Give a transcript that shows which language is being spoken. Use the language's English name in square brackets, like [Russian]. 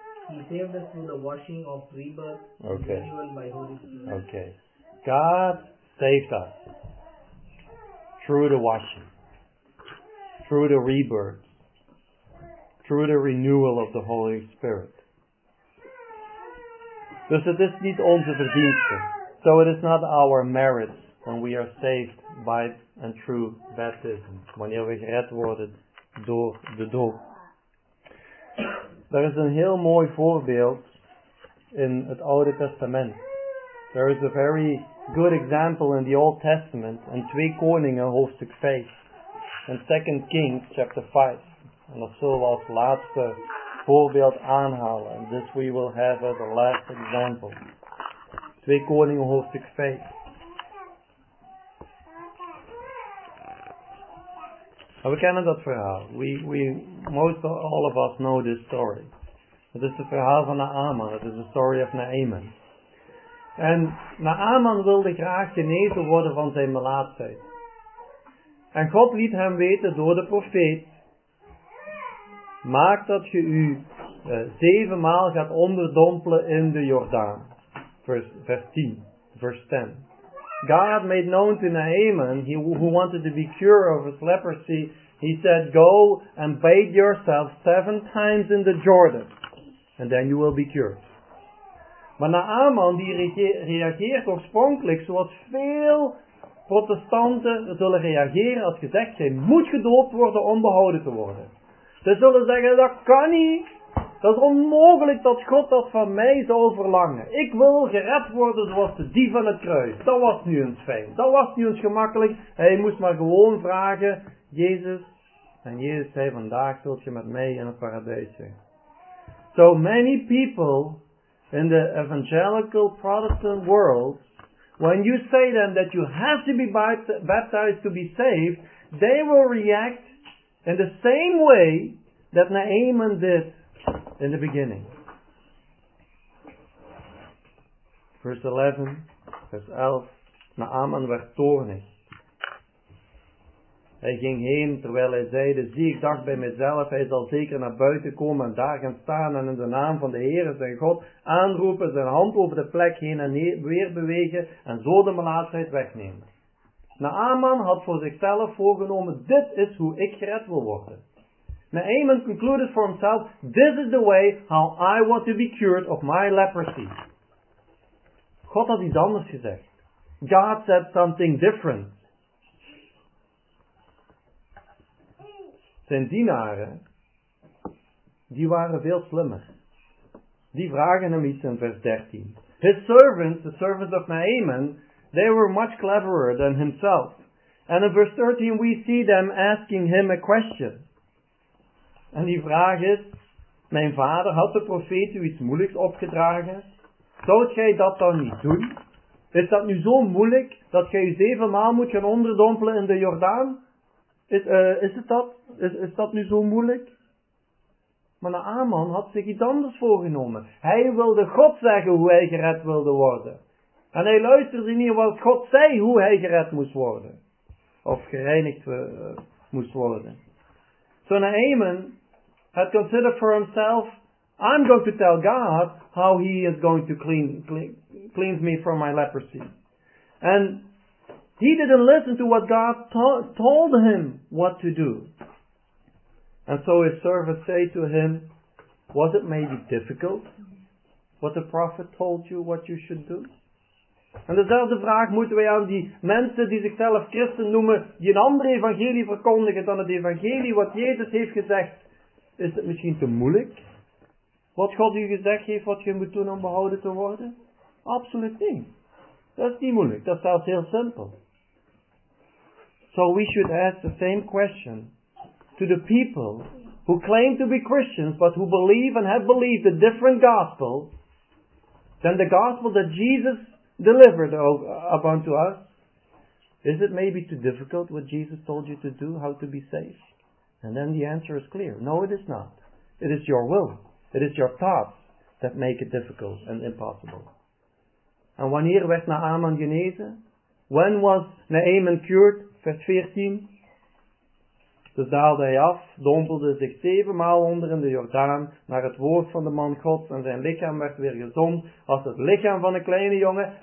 [English] He saved us through the washing of rebirth, okay, renewal by Holy Spirit. Okay. God saved us. Through the washing, through the rebirth, through the renewal of the Holy Spirit. [Dutch] Dus het is niet onze verdienste. [English] So it is not our merit when we are saved by and through baptism. [Dutch] Wanneer we gered worden door de doop. Er is een heel mooi voorbeeld in het Oude Testament. [English] There is a very good example in the Old Testament in [Dutch] 2 Koningen hoofdstuk 5 en [English] 2 Kings chapter 5. [Dutch] En dat zullen we als laatste voorbeeld aanhalen. [English] And this we will have as a last example. [Dutch] 2 Koningen hoofdstuk 5. [English] Now [Dutch] we kennen dat verhaal. [English] We most all of us know this story. [Dutch] Het is het verhaal van Naaman. Het is [English] the story of Naaman. [Dutch] En Naaman wilde graag genezen worden van zijn melaatsheid. En God liet hem weten door de profeet. Maak dat je u 7 maal gaat onderdompelen in de Jordaan. Vers 10. [English] God made known to Naaman, who wanted to be cured of his leprosy. He said, go and bathe yourself 7 times in the Jordan. And then you will be cured. [Dutch] Maar Naaman die reageert oorspronkelijk zoals veel protestanten zullen reageren als gezegd, jij moet gedoopt worden om behouden te worden. Ze zullen zeggen, dat kan niet. Dat is onmogelijk dat God dat van mij zou verlangen. Ik wil gered worden zoals de dief van het kruis. Dat was nu eens fijn. Dat was nu eens gemakkelijk. Hij moest maar gewoon vragen, Jezus. En Jezus zei, vandaag zult je met mij in het paradijs zijn. [English] So many people in the evangelical Protestant world, when you say them that you have to be baptized to be saved, they will react in the same way that Naaman did in the beginning. [Dutch] Verse 11, Naaman werd toornig Hij ging heen terwijl hij zeide, zie ik dacht bij mezelf, hij zal zeker naar buiten komen en daar gaan staan en in de naam van de Heere zijn God aanroepen, zijn hand over de plek heen en weer bewegen en zo de melaatsheid wegnemen. Naaman had voor zichzelf voorgenomen, dit is hoe ik gered wil worden. [English] Naaman concluded for himself, this is the way how I want to be cured of my leprosy. [Dutch] God had iets anders gezegd. [English] God said something different. [Dutch] Zijn dienaren, die waren veel slimmer. Die vragen hem iets in vers 13. [English] His servants, the servants of Naaman, they were much cleverer than himself. And in verse 13 we see them asking him a question. [Dutch] En die vraag is, mijn vader, had de profeet u iets moeilijks opgedragen? Zou gij dat dan niet doen? Is dat nu zo moeilijk dat gij u 7 maal moet gaan onderdompelen in de Jordaan? Is dat nu zo moeilijk? Maar Naaman had zich iets anders voorgenomen. Hij wilde God zeggen hoe hij gered wilde worden. En hij luisterde niet wat God zei hoe hij gered moest worden. Of gereinigd moest worden. [English] So Naaman had considered for himself, I'm going to tell God how he is going to cleanse me from my leprosy. And he didn't listen to what God told him what to do. And so his servant said to him, was it maybe difficult what the prophet told you what you should do? [Dutch] En dezelfde vraag moeten wij aan die mensen die zichzelf christen noemen, die een andere evangelie verkondigen dan het evangelie wat Jezus heeft gezegd. Is het misschien te moeilijk wat God u gezegd heeft wat je moet doen om behouden te worden? Absoluut niet. Dat is niet moeilijk. Dat is zelfs heel simpel. [English] So we should ask the same question to the people who claim to be Christians but who believe and have believed a different gospel than the gospel that Jesus delivered up unto us. Is it maybe too difficult what Jesus told you to do, how to be saved? And then the answer is clear. No, it is not. It is your will. It is your thoughts that make it difficult and impossible. [Dutch] And wanneer werd Naaman genezen? [English] When was Naaman cured? [Dutch] Vers 14. Dus daalde hij af, dompelde zich 7 maal onder in de Jordaan naar het woord van de man Gods en zijn lichaam werd weer gezond als het lichaam van een kleine jongen.